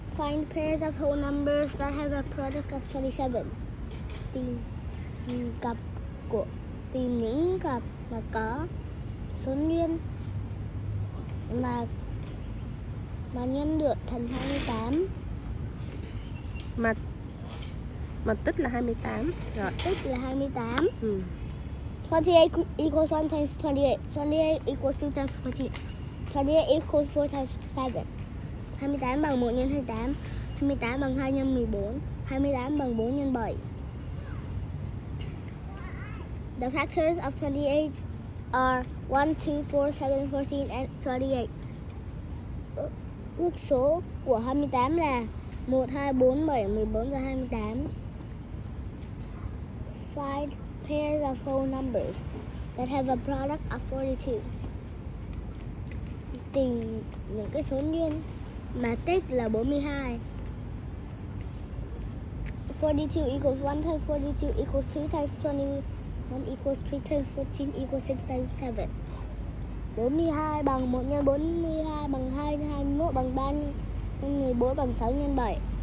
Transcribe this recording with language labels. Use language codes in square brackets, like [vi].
[en] Find pairs of whole numbers that have a product of 27. [vi] Tìm những cặp mà có số nguyên mà nhân được thành 28. Mà tích là 28. Rồi. Tích là 28. Ừ. [en] 28 equals 1 times 28. 28 equals 2 times 14. 28 equals 4 times 7. [vi] 28 bằng 1 nhân 28. 28 bằng 2 nhân 14. 28 bằng 4 nhân 7. [en] The factors of 28 are 1, 2, 4, 7, 14, and 28. [vi] Ước số của 28 là 1, 2, 4, 7, 14 và 28. [en] Find pairs of whole numbers that have a product of 42. [vi] Tìm những cái số nguyên mà tích là 42. [en] 42 equals 1 times 42 equals 2 times 22. 1 equals 3 times 14 equals 6 times 7. [vi] 42 bằng 1 nhân 42 bằng 2 nhân 21 bằng 3 nhân 14 bằng 6 nhân 7.